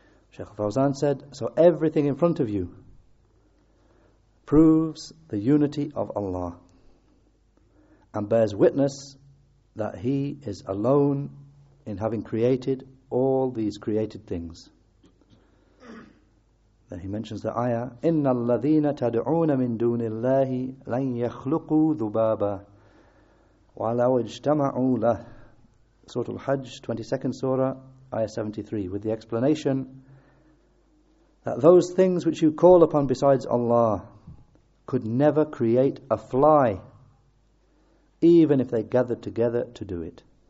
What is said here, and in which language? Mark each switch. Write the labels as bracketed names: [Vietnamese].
[English] Sheikh Fawzan said, so everything in front of you proves the unity of Allah and bears witness that He is alone in having created all these created things. He mentions the ayah, [Arabic] إِنَّ الَّذِينَ تَدْعُونَ مِن دُونِ اللَّهِ لَنْ يَخْلُقُوا ذُبَابًا وَلَوْ اجْتَمَعُوا لَهُ. [English] Surah Al-Hajj, 22nd Surah, ayah 73, with the explanation that those things which you call upon besides Allah could never create a fly, even if they gathered together to do it.